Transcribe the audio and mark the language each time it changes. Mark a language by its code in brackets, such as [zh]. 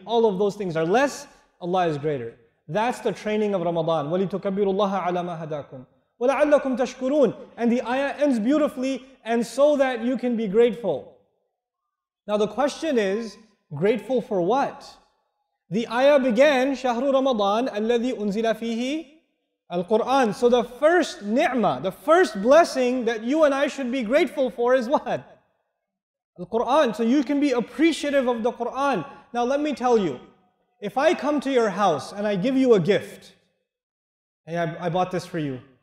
[en] All of those things are less, Allah is greater. That's the training of Ramadan. [ar] وَلِتُكَبِّرُوا عَلَى مَا هَدَاكُمْ وَلَعَلَّكُمْ تَشْكُرُونَ. [en] And the ayah ends beautifully, and so that you can be grateful. Now the question is, grateful for what? The ayah began, [ar] شَهْرُ رَمَضَانَ الَّذِي أُنزِلَ فِيهِ Al-Qur'an. [en] So the first ni'mah, the first blessing that you and I should be grateful for is what? Al-Qur'an. So you can be appreciative of the Qur'an. Now let me tell you, if I come to your house and I give you a gift, hey, I bought this for you.